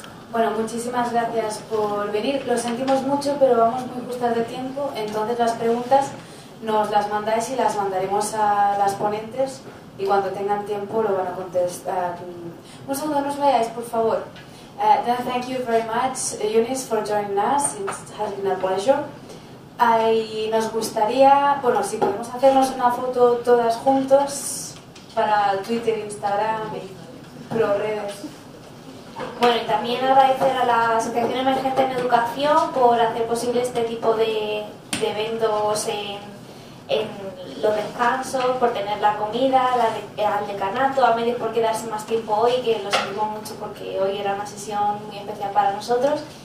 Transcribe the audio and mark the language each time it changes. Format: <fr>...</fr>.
<es>Bueno, muchísimas gracias por venir. Lo sentimos mucho, pero vamos muy justas de tiempo. Entonces, las preguntas nos las mandáis y las mandaremos a las ponentes y cuando tengan tiempo lo van a contestar. Un segundo, no os vayáis, por favor.</es> <en>Thank you very much, Eunice, for joining us. It has been a pleasure.</en> <es>Nos gustaría, bueno, si podemos hacernos una foto todas juntos para Twitter, Instagram y ProRedes. Bueno, y también agradecer a la Asociación Emergente en Educación por hacer posible este tipo de eventos en los descansos, por tener la comida, al decanato, a medios por quedarse más tiempo hoy, que lo sentimos mucho porque hoy era una sesión muy especial para nosotros,</es>